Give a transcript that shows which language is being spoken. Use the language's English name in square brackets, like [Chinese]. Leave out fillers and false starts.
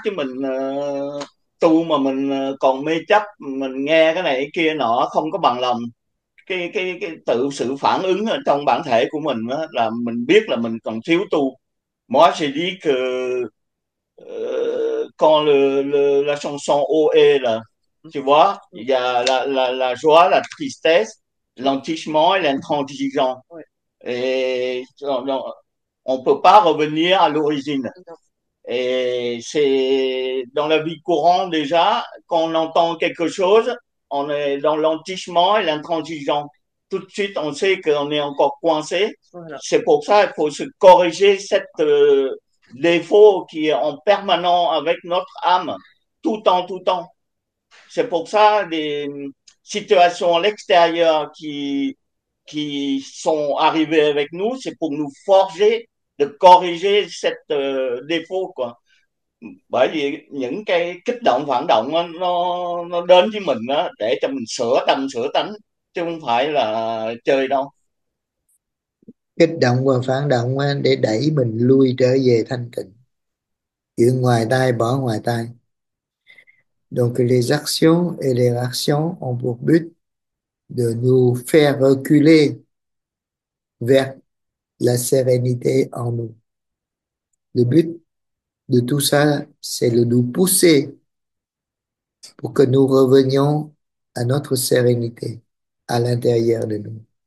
[Vietnamese] Chứ mình tu mà mình còn mê chấp, mình nghe cái này cái kia nọ không có bằng lòng cái tự sự phản ứng ở trong bản thể của mình đó, là mình biết là mình còn thiếu tu. [French] Moi je dis que quand la chanson O E là tu vois, la joie, la tristesse, l'entichement et l'intransigeant. Et on peut pas revenir à l'origine. Et c'est dans la vie courante déjà, quand on entend quelque chose, on est dans l'entichement et l'intransigeant. Tout de suite, on sait qu'on est encore coincé. Voilà. C'est pour ça qu'il faut se corriger cet défaut qui est en permanent avec notre âme, tout temps, tout temps. C'est pour ça des situations à l'extérieur qui sont arrivées avec nous, c'est pour nous forger, de corriger cet défaut, quoi. [Vietnamese] Bởi vì những cái kích động phản động đó, nó đến với mình đó, để cho mình sửa tâm sửa tánh, chứ không phải là chơi đâu. Kích động và phản động để đẩy mình lui trở về thanh tịnh. Chuyện ngoài tai bỏ ngoài tai. [French] Donc les actions et les réactions ont pour but de nous faire reculer vers la sérénité en nous. Le but de tout ça, c'est de nous pousser pour que nous revenions à notre sérénité à l'intérieur de nous.